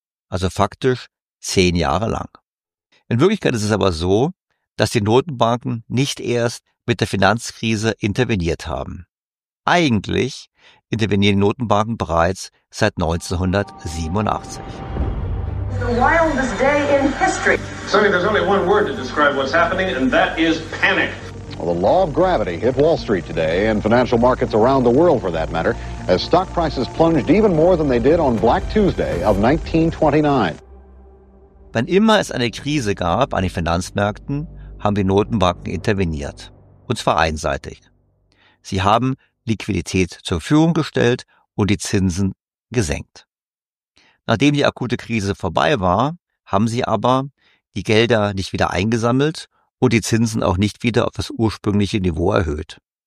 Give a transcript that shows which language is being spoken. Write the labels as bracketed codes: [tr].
[de] Also faktisch 10 Jahre lang. In Wirklichkeit ist es aber so, dass die Notenbanken nicht erst mit der Finanzkrise interveniert haben. Eigentlich intervenieren die Notenbanken bereits seit 1987. [en] The wildest day in history. Sonny, there's only one word to describe what's happening, and that is panic. Well, the law of gravity hit Wall Street today and financial markets around the world for that matter, as stock prices plunged even more than they did on Black Tuesday of 1929. [de] Wann immer es eine Krise gab an den Finanzmärkten, haben die Notenbanken interveniert. Und zwar einseitig. Sie haben Liquidität zur Verfügung gestellt und die Zinsen gesenkt. Nachdem die akute Krise vorbei war, haben sie aber die Gelder nicht wieder eingesammelt und die Zinsen auch nicht wieder auf das ursprüngliche Niveau erhöht.